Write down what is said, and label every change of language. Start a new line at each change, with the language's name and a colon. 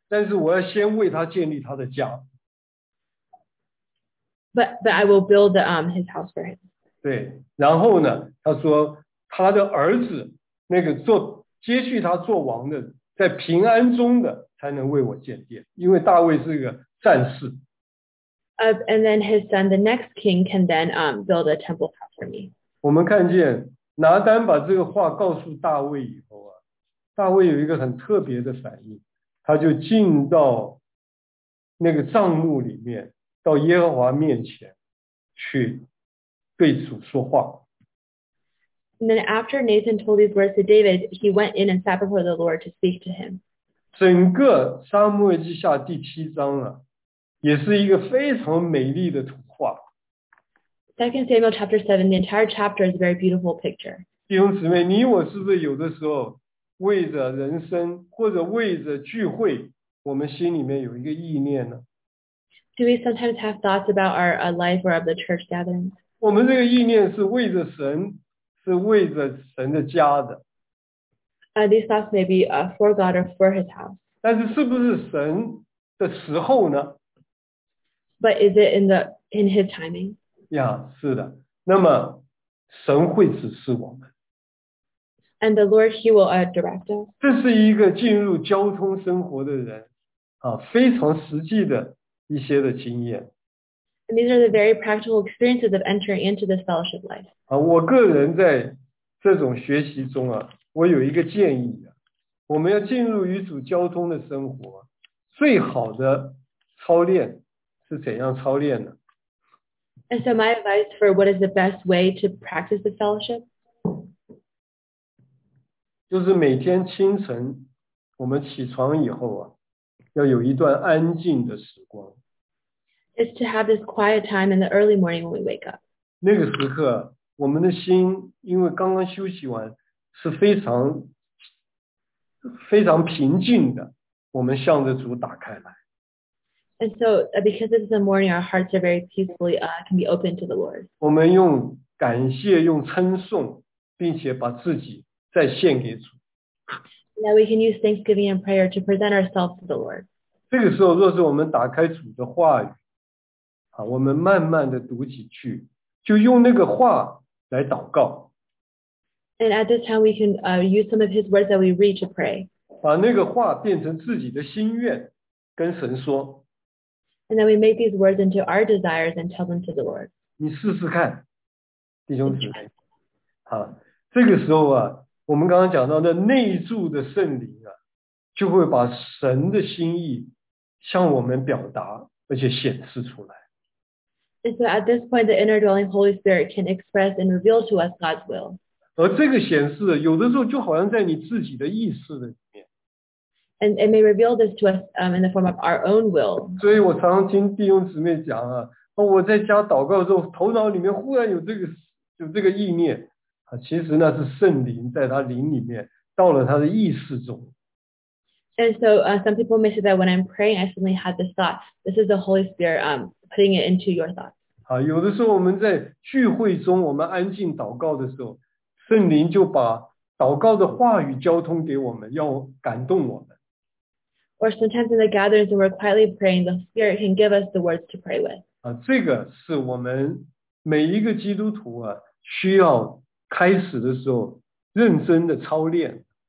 Chinese: 但是我要先为他建立他的家。
English: But I will build his house for him.
Chinese: 对，然后呢，他说他的儿子，那个做接续他做王的，在平安中的才能为我建殿，因为大卫是一个战士。
English: And then his son, the next king, can then build a temple for me.
Chinese: 我们看见拿单把这个话告诉大卫以后啊，大卫有一个很特别的反应，他就进到那个帐幕里面，到耶和华面前去对主说话。
English: And then after Nathan told these words to David, he went in and sat before the Lord to speak to him.
Chinese: 整个撒母耳记下第七章啊，也是一个非常美丽的图画。
English: Second Samuel chapter 7, the entire chapter is a very beautiful picture.
Chinese: 弟兄姊妹，你我是不是有的时候为着人生或者为着聚会，我们心里面有一个意念呢？
English: Do we sometimes have thoughts about our life or of the church gatherings?
Chinese: 我们这个意念是为着神，是为着神的家的。
English: These thoughts may be for God or for his house.
Chinese: 但是是不是神的时候呢？
English: But is it in his timing?
Chinese: Yeah, 是的，那么神会指示我们。
English: And the Lord, he will direct us.
Chinese: 这是一个进入交通生活的人啊，非常实际的一些的经验。
English: And these are the very practical experiences of entering into this fellowship life.
Chinese: 啊，我个人在这种学习中啊，我有一个建议啊，我们要进入与主交通的生活，最好的操练是怎样操练呢？
English: And so my advice for what is the best way to practice the fellowship?
Chinese: 就是每天清晨我们起床以后啊，要有一段安静的时光。
English: It's to have this quiet time in the early morning when we wake up.
Chinese: 那个时刻我们的心因为刚刚休息完是非常非常平静的，我们向着主打开来。
English: And so, because this is the morning, our hearts are very peacefully, can be open to the Lord.
Chinese: 我们用感谢，用称颂，并且把自己再献给主。
English: Now we can use thanksgiving and prayer to present ourselves to the Lord.
Chinese: 这个时候，若是我们打开主的话语，啊，我们慢慢的读几句，就用那个话来祷告。
English: And at this time, we can use some of His words that we read to pray.
Chinese: 把那个话变成自己的心愿，跟神说。
English: And then we make these words into our desires and tell them to the Lord.
Chinese: 你试试看，弟兄姊妹。啊，这个时候啊，我们刚刚讲到的内住的圣灵啊，就会把神的心意向我们表达，而且显示出来。
English: And so at this point, the inner dwelling Holy Spirit can express and reveal to us God's will.
Chinese: 而这个显示，有的时候就好像在你自己的意识的。
English: And it may reveal this to us in the form of our own will.
Chinese: 所以我常常听弟兄姊妹讲啊，我在家祷告的时候，头脑里面忽然有这个意念啊，其实那是圣灵在他灵里面到了他的意识中。
English: And so some people may say that when I'm praying, I suddenly had this thought. This is the Holy Spirit putting it into your thoughts.
Chinese: 啊，有的时候我们在聚会中，我们安静祷告的时候，圣灵就把祷告的话语交通给我们，要感动我们。
English: Or sometimes in the gatherings and we're quietly praying, the Spirit can give us the words to pray with.
Chinese: 啊，这个是我们每一个基督徒啊，需要开始的时候认真的操练。